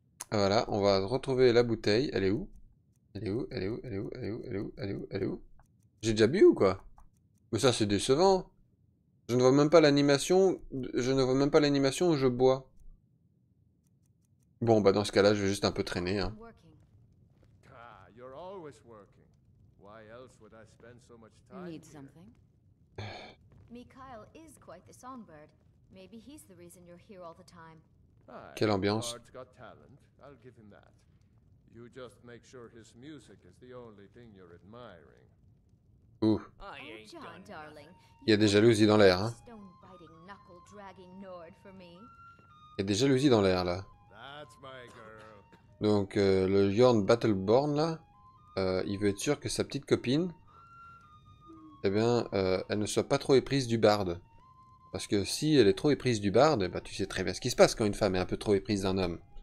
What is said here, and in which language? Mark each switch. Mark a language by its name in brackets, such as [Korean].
[French] Voilà, on va retrouver la bouteille, elle est où? Elle est où? Elle est où? Elle est où? Elle est où? Elle est où? Elle est où? Elle est où? J'ai déjà bu ou quoi? Mais ça c'est décevant. Je ne vois même pas l'animation. Je ne vois même pas l'animation où je bois. Bon bah dans ce cas-là, je vais juste un peu traîner, hein. [English] Ah, you're always working. Why else would I spend so much time? You need something? Mikhail is quite the songbird. Maybe he's the reason you're here all the time. [French] Quelle ambiance. [English] Bart's got talent. I'll give him that. You just make sure his music is the only thing you're admiring. Ouh. Oh, John, darling. [French] Il y a des jalousies dans l'air, hein. [English] Stone-biting, knuckle-dragging Nord for me. [French] Il y a des jalousies dans l'air, là. [English] That's my girl. [French] Donc, le Jorn Battleborn, là, il veut être sûr que sa petite copine, eh bien, elle ne soit pas trop éprise du barde. Parce que si elle est trop éprise du barde, eh ben, tu sais très bien ce qui se passe quand une femme est un peu trop éprise d'un homme.